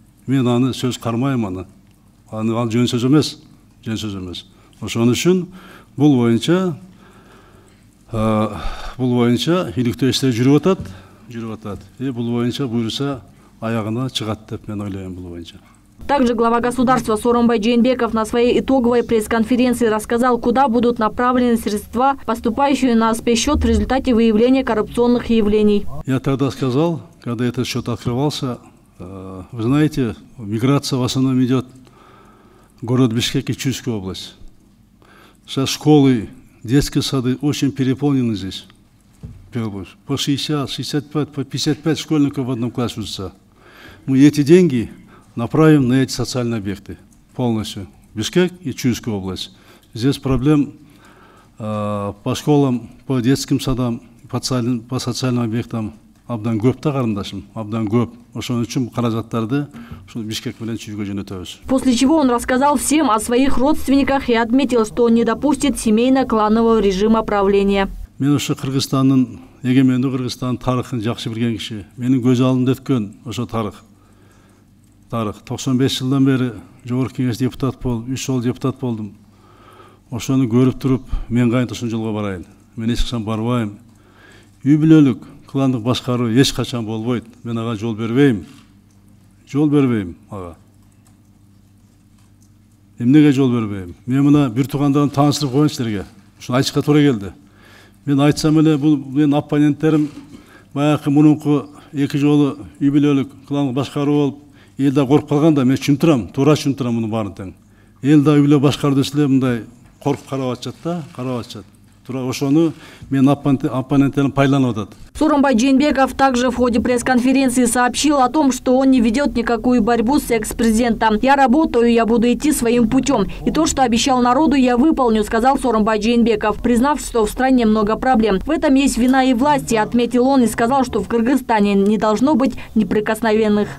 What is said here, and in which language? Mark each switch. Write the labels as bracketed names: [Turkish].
[Kyrgyz] Мен аны сөз кармайм аны. Аны ал жөн сөз эмес. Жөн сөз эмес. Ошон үчүн бул боюнча иликтөө иштери жүрүп атат. Бул боюнча буйруса аягына чыгат деп мен ойлойм бул боюнча. [Russian] Также глава государства Сооронбай Жээнбеков на своей итоговой пресс-конференции рассказал, куда будут направлены средства, поступающие на спецсчет в результате выявления коррупционных явлений. Я тогда сказал, когда этот счет открывался, вы знаете, миграция в основном идет город Бишкек и Чуйская область. Сейчас школы, детские сады очень переполнены здесь. По 60, 65, по 55 школьников в одном классе учатся. Мы эти деньги направим на эти социальные объекты полностью. Бишкек и Чуйская область. Здесь проблем по школам, по детским садам, по социальным объектам. [Kyrgyz] Абдан көп да карындашым, абдан көп. Ошон үчүн каражаттарды ушул Бишкек менен Чуйго жөнөтөбүз. [Russian] После чего он рассказал всем о своих родственниках и отметил, что он не допустит семейно-кланового режима правления. [Kyrgyz] Мен ошо Кыргызстандын, эгемендүү Кыргызстандын тарыхын жакшы билген киши. Менин көз алдымда өткөн ошо тарых. Тарых, 95 жылдан бери Жогорку Кеңеш депутат болуп, 3 жыл депутат болдум. Ошону көрүп туруп, мен кайынтушун жолго барайын. Мен эч качан барбайм. Үй бүлөлүк, кландык башкаруу эч качан болбойт. Мен ага жол бербейм. Жол бербейм ага. Эмнеге жол бербейм? Мен мына бир туугандарын тааныштырып коеюн силерге. Ушуну айтышка туура келди. Мен айтсам эле бул менин оппоненттерим баягы мурунку эки жолу үй бүлөлүк, кландык башкаруу болуп Элде коркуп калганда мен түшүнтүрөм, туура түшүнтүрөм мунун баарын тең. Элде үйлө башкарды эсле мындай коркуп карап атышат да, карап атышат. Туура ошону мен оппоненттерим пайдаланып атат. [Russian] Сооронбай Жээнбеков также в ходе пресс-конференции сообщил о том, что он не ведет никакую борьбу с экс-президентом. «Я работаю, я буду идти своим путем. И то, что обещал народу, я выполню», — сказал Сооронбай Жээнбеков, признав, что в стране много проблем. «В этом есть вина и власти», — отметил он и сказал, что в Кыргызстане не должно быть неприкосновенных.